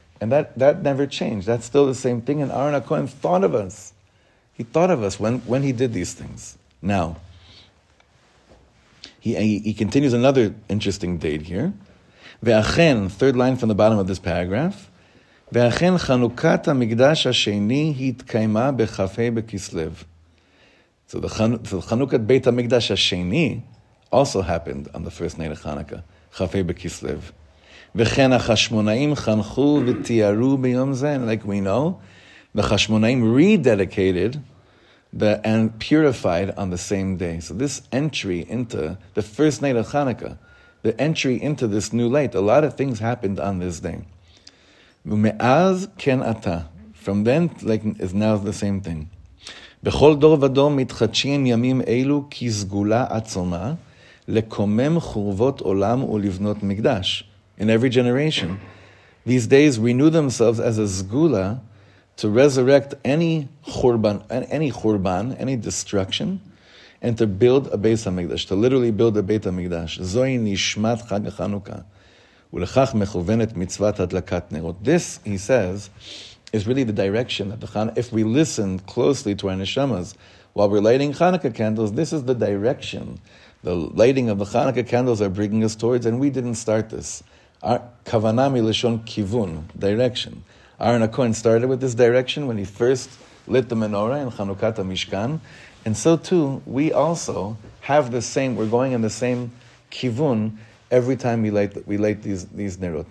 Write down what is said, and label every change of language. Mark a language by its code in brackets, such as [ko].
[en] And that never changed. That's still the same thing. And Aaron HaKohen thought of us. He thought of us when he did these things. Now, he continues another interesting date here. Ve'achen, third line from the bottom of this paragraph. [he] ואכן חנוכת המקדש השני התקיימה בחפה בכסלב. [en] So חנוכת בית המקדש השני also happened on the first night of Hanukkah, חפה בכסלב. [he] וכן החשמונאים חנכו ותיארו ביום זה, [en] and like we know, the חשמונאים rededicated and purified on the same day. So this entry into the first night of Hanukkah, the entry into this new light, a lot of things happened on this day. [he] ומאז כן אתה. [en] From then, like, is now the same thing. [he] בכל דור ודור מתחדשים ימים אלו כסגולה עצומה לקומם חורבות עולם ולבנות מקדש. [en] In every generation, these days renew themselves as a zgula to resurrect any churban, any destruction, and to build a Beit HaMikdash, to literally build a Beit HaMikdash. [he] זוהי נשמת חג החנוכה. ולכך מכוונת מצוות הדלקת נרות. [en] This, he says, is really the direction that the Chanukah, if we listen closely to our neshamas while we're lighting Chanukah candles, this is the direction the lighting of the Chanukah candles are bringing us towards, and we didn't start this. Our kavana milashon kivun, direction. Aaron HaKohen started with this direction when he first lit the menorah in Chanukat HaMishkan, and so too, we also have the same, we're going in the same kivun, every time we light these nerot.